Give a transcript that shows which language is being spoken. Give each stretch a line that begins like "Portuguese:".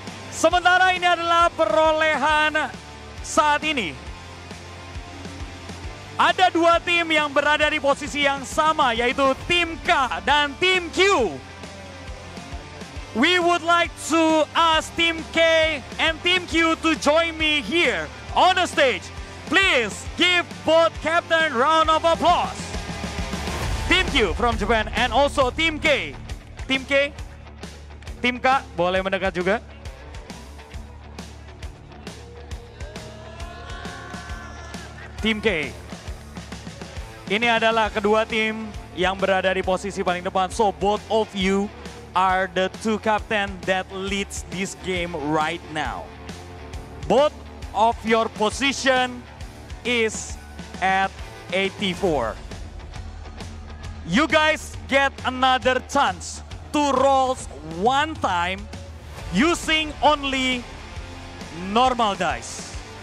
Indonesian: Sementara ini adalah perolehan saat ini. Ada dua tim yang berada di posisi yang sama, yaitu tim K dan tim Q.
English: We would like to ask tim K and tim Q to join me here on the stage. Please give both captain round of applause. Tim Q from Japan and also tim K.
Indonesian: Tim K, tim K boleh mendekat juga. Tim K. Ini adalah kedua tim yang berada di posisi paling depan.
English: So both of you are the two captain that leads this game right now. Both of your position is at 84. You guys get another chance to roll one time using only normal dice.